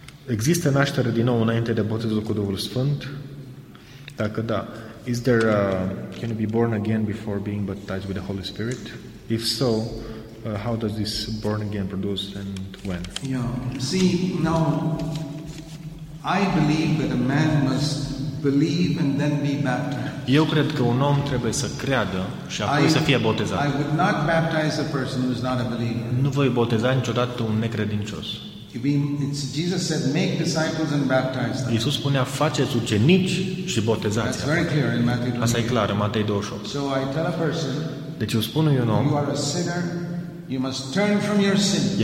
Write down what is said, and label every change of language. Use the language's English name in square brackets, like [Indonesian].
[Romanian] Există naștere din nou înainte de botezul cu Duhul Sfânt? Dacă da, [English] is there a, can you be born again before being baptized with the Holy Spirit? If so, how does this born again produce and when? Yeah. See, now I believe that a man must believe and then be baptized. [Romanian] Eu cred că un om trebuie să creadă și apoi să fie botezat. [English] I would not baptize a person who is not a believer. [Romanian] Nu voi boteza niciodată un necredincios. [English] Jesus said, make disciples and baptize them. [Romanian] Iisus spunea, faceți ucenici și botezați-i. [English] That's very clear in Matthew 28. [Romanian] Asta e clar în Matei 28. [English] So I tell a person, [Romanian] deci eu spun unui om, [English] you are a sinner, you must turn from your sins.